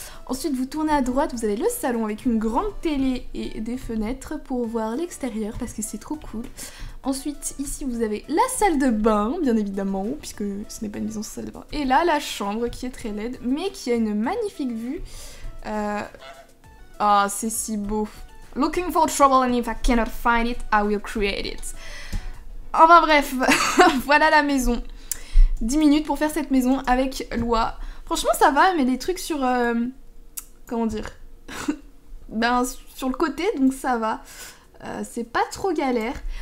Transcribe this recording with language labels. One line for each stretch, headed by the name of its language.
French: Ensuite, vous tournez à droite. Vous avez le salon avec une grande télé et des fenêtres pour voir l'extérieur parce que c'est trop cool. Ensuite, ici, vous avez la salle de bain, bien évidemment, puisque ce n'est pas une maison sans salle de bain. Et là, la chambre, qui est très laide, mais qui a une magnifique vue. Ah, c'est si beau.
English: Looking for trouble, and if I cannot find it, I will create it.
French: Enfin bref, voilà la maison. 10 minutes pour faire cette maison avec Loa. Franchement, ça va, elle met des trucs sur... comment dire ben, sur le côté, donc ça va. C'est pas trop galère.